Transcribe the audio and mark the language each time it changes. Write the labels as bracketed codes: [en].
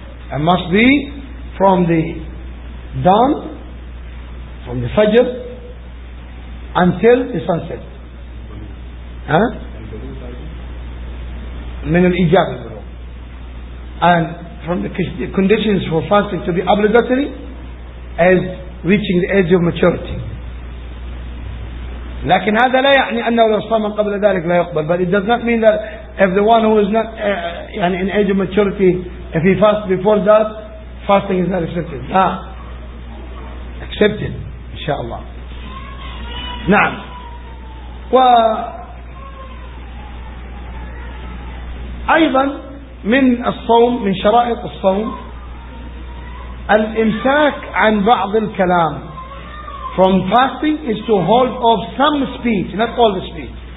[en] It must be from the dawn, from the فجر until the sunset. [ar] ها؟ من الإيجاب. [en] And from the conditions for fasting to be obligatory as reaching the age of maturity. [ar] لكن هذا لا يعني أنه لو صام قبل ذلك لا يقبل. [en] But it does not mean that if the one who is not يعني in age of maturity, if he fasts before that, fasting is not accepted. [ar] لا. [en] Accepted. [ar] إن شاء الله. نعم. و أيضا من الصوم من شرائط الصوم الإمساك عن بعض الكلام. [en] From fasting is to hold off some speech, not all the speech.